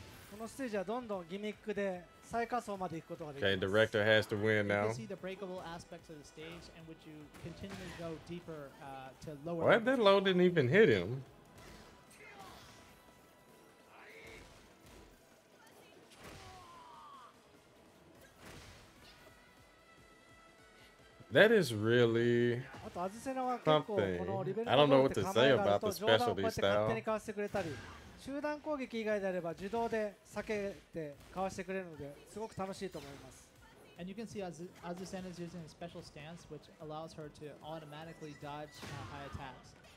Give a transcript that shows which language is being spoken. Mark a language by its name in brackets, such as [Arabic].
[Japanese] このステージはどんどんギミックで最下層まで行くことができます。 [English] Okay, director has to win now. You can see the breakable aspects of the stage and which you continually go deeper to lower. What? That low didn't even hit him. That is really something. I don't know what to say about the specialty style. [Japanese] 集団攻撃以外であれば自動で避けてかわしてくれるのですごく楽しいと思います。 [English] And you can see Azucena is using a special stance which allows her to automatically dodge high attacks.